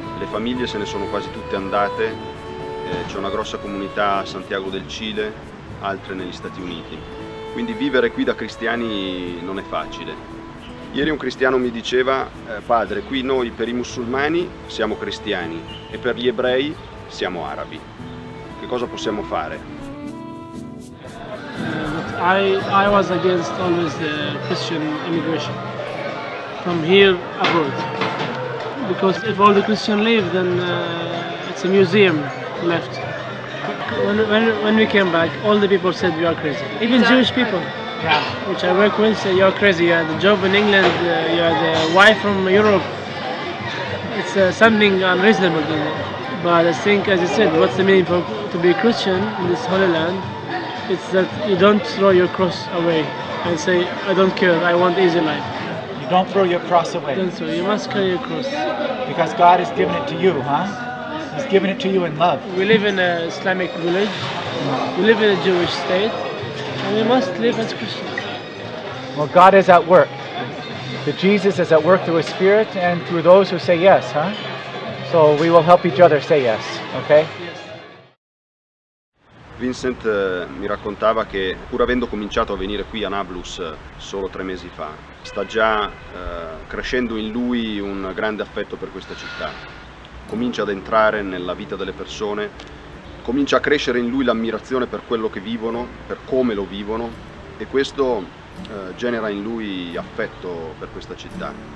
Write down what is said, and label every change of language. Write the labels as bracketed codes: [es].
[it] Le famiglie se ne sono quasi tutte andate, c'è una grossa comunità a Santiago del Cile, altre negli Stati Uniti. Quindi vivere qui da cristiani non è facile. Ieri un cristiano mi diceva, padre, qui noi per i musulmani siamo cristiani e per gli ebrei siamo arabi. Che cosa possiamo fare? [en] I was against always the Christian immigration from here abroad. Because if all the Christians leave, then it's a museum left. When we came back, all the people said we are crazy. Even Jewish people, yeah. Which I work with, say you are crazy. You have the job in England, you have the wife from Europe. It's something unreasonable. But I think, as you said, what's the meaning for to be a Christian in this Holy Land? It's that you don't throw your cross away and say, I don't care, I want easy life. You don't throw your cross away. You must carry your cross. Because God has given it to you, huh? He's given it to you in love. We live in an Islamic village. We live in a Jewish state. And we must live as Christians. Well, God is at work. The Jesus is at work through His Spirit and through those who say yes, huh? So we will help each other say yes, okay? [it] Vincent mi raccontava che pur avendo cominciato a venire qui a Nablus solo 3 mesi fa, sta già crescendo in lui un grande affetto per questa città. Comincia ad entrare nella vita delle persone, comincia a crescere in lui l'ammirazione per quello che vivono, per come lo vivono, e questo genera in lui affetto per questa città.